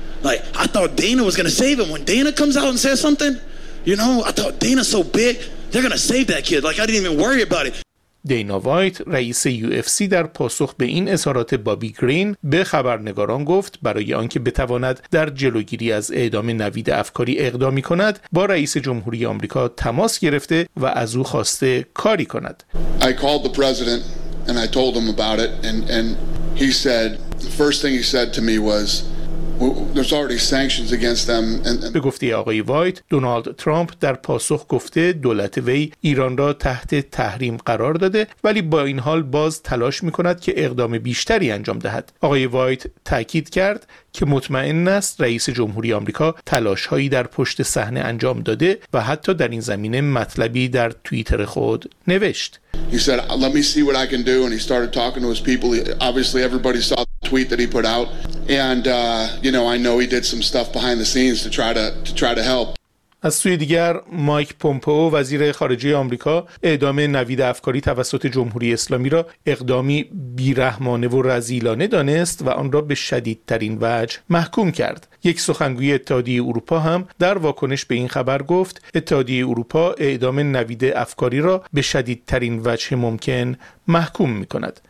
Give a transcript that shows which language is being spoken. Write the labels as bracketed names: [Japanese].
[English] Like, I thought Dana was going to save him. When Dana comes out and says something, you know, I thought Dana's so big, they're going to save that kid. Like, I didn't even worry about it. [Persian] دینا وایت، رئیس UFC، در پاسخ به این اظهارات بابی گرین به خبرنگاران گفت: برای آنکه بتواند در جلوگیری از اعدام نوید افکاری اقدامی کند، با رئیس جمهوری آمریکا تماس گرفته و از او خواسته کاری کند. [English] I called the president and I told him about it and he said, the first thing he said to me was, there's already sanctions against them. [Persian] به گفته آقای وایت، دونالد ترامپ در پاسخ گفته دولت وی ایران را تحت تحریم قرار داده، ولی با این حال باز تلاش می‌کند که اقدام بیشتری انجام دهد. آقای وایت تأکید کرد که مطمئن است رئیس جمهوری آمریکا تلاش‌هایی در پشت صحنه انجام داده و حتی در این زمینه مطلبی در توییتر خود نوشت. [English] He said, let me see what I can do, and he started talking to his people. Obviously, everybody saw the tweet that he put out, and you know, I know he did some stuff behind the scenes to try to help. [Persian] از سوی دیگر مایک پومپئو، وزیر خارجه آمریکا، اعدام نوید افکاری توسط جمهوری اسلامی را اقدامی بیرحمانه و رذیلانه دانست و آن را به شدیدترین وجه محکوم کرد. یک سخنگوی اتحادیه اروپا هم در واکنش به این خبر گفت: اتحادیه اروپا اعدام نوید افکاری را به شدیدترین وجه ممکن محکوم می‌کند.